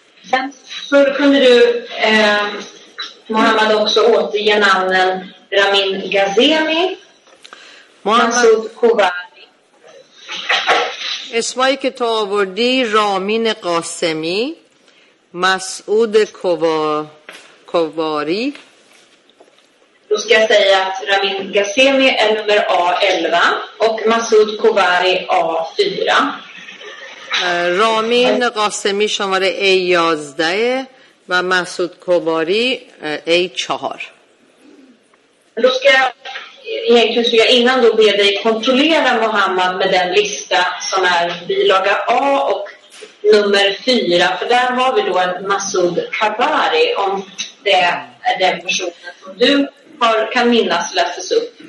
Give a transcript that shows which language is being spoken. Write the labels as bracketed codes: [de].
[sv] sen så kunde du Mohammed också återge namnen Ramin Ghazemi Mansoud Kobani [fa] اسمایی که تو آوردی رامین قاسمی مسعود کواری [sv] Då ska jag säga att Ramin Ghazemi är nummer A11 och Mansoud Kobani A4 [fa] رامین قاسمی شماره A11 و مسعود کواری A4 [sv] Då ska jag egentligen så jag innan då ber dig kontrollera Mohammed med den lista som är bilaga A och nummer 4 för där har vi då en Mansoud Kobani om det är den personen som du har, kan minnas läses upp